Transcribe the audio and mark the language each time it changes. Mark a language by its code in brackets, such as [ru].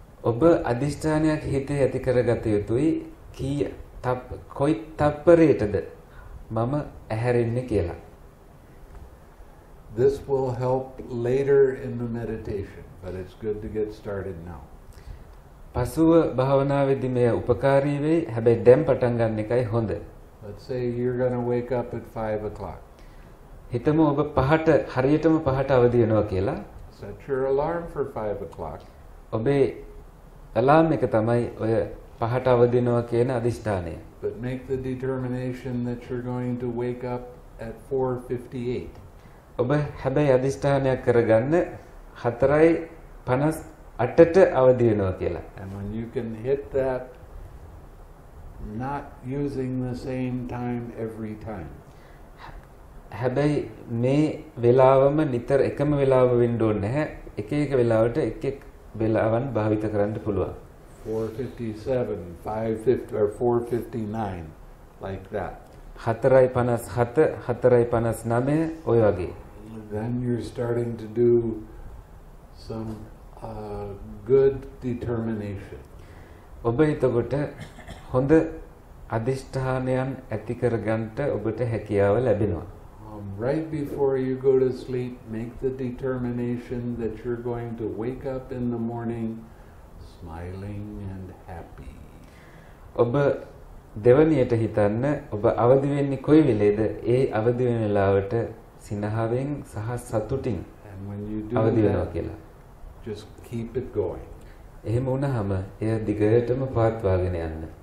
[si] ඔබ අදිෂ්ඨානයක් හිතේ ඇති කරගත යුතුයි කී තප් කොයි තප්පරයටද මම ඇහැරෙන්නේ කියලා. [en] This will help later in the meditation, but it's good to get started now. [si] පසුව භාවනාවේදී මේ උපකාරී වෙයි, හැබැයි දැන් පටන් ගන්න එකයි හොඳ. [en] Let's say you're going to wake up at 5 o'clock. [si] හිතමු ඔබ පහට හරියටම පහට අවදි වෙනවා කියලා. [en] Set your alarm for 5 o'clock. [si] ඔබේ alarm එක තමයි ඔය පහට අවදිනවා කියන අදිෂ්ඨානය. [en] but make the determination that you're going to wake up at 4:58. [si] ඔබ හැබැයි අදිෂ්ඨානයක් කරගන්න 4:58ට අවදි වෙනවා කියලා. [en] And when you can hit that, not using the same time every time. [si] හැබැයි මේ වෙලාවම නිතර එකම වෙලාව වෙන්න ඕනේ නැහැ. එක එක වෙලාවට එක එක වෙලාවන් භාවිත කරන්න පුළුවන්. [en] 4:57, 5:50 or 4:59, like that. [si] 4:57, 4:59, ඔය වගේ. [en] Then you're starting to do some good determination. [si] ඔබ එතකොට හොඳ අදිෂ්ඨානයන් ඇති කරගන්න ඔබට හැකියාව ලැබෙනවා. [en] Right before you go to sleep, make the determination that you're going to wake up in the morning smiling and happy. [si] ඔබ දෙවනියට හිතන්න ඔබ අවදි වෙන්නේ කොයි වෙලේද ඒ අවදි වෙන වෙලාවට සිනහවෙන් සහ සතුටින් අවදි වෙනවා කියලා. [en] Just keep it going. [si] එහෙම වුණාම එය දිගටම පවත්වාගෙන යන්න.